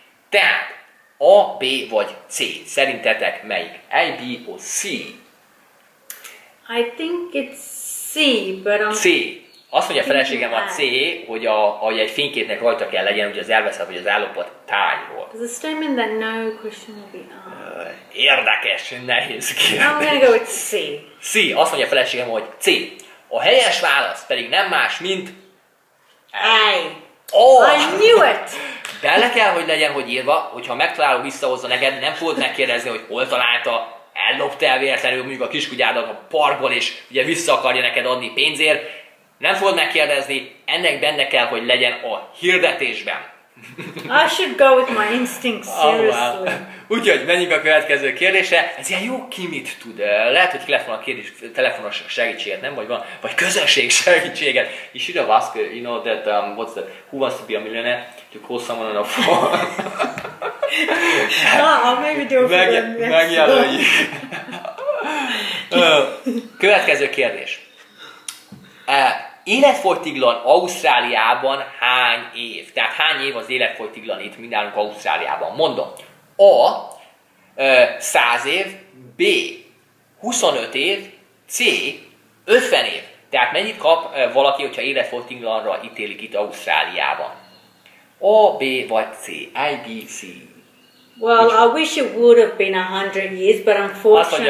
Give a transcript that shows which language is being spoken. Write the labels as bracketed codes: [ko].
[hu] Tehát, A, B vagy C? Szerintetek melyik? [en] A, B or C? I think it's C, but I'm... C. [hu] Azt mondja a feleségem a C, hogy egy fényképnek rajta kell legyen, hogy az elveszett vagy az ellopott tájról. [en] There's a statement that no question will be asked. [hu] Érdekes, nehéz kérdés. [en] I'm gonna go with C. C. [hu] Azt mondja a feleségem, hogy C. A helyes válasz pedig nem más, mint... A. [en] Oh! I knew it! [hu] Bele kell, hogy legyen, hogy írva, hogyha megtalálod, visszahozza neked, nem fogod megkérdezni, hogy hol találta, ellopta el véletlenül mondjuk a kiskutyádat a parkból, és ugye vissza akarja neked adni pénzért. Nem fogod megkérdezni, ennek benne kell, hogy legyen a hirdetésben. [en] I should go with my instincts, seriously. [hu] Úgyhogy menjünk a következő kérdésre. Ez ilyen jó kimit tud. Lehet, hogy ki lehet volna a kérdés, telefonos segítséget, nem? Vagy van? Vagy közönség segítséget. [en] You should have asked, you know, that, what's that? Who wants to be a millionaire? To call someone on a phone. I'll maybe do it for them. [hu] Megjelölj. Következő kérdés. Életfogytiglan Ausztráliában hány év? Tehát hány év az életfogytiglan itt mindenünk Ausztráliában? Mondom. A. 100 év. B. 25 év. C. 50 év. Tehát mennyit kap valaki, hogyha életfogytiglanra ítélik itt Ausztráliában? A, B vagy C. I, B, C. [en] Well, I wish it would have been 100 years, but unfortunately,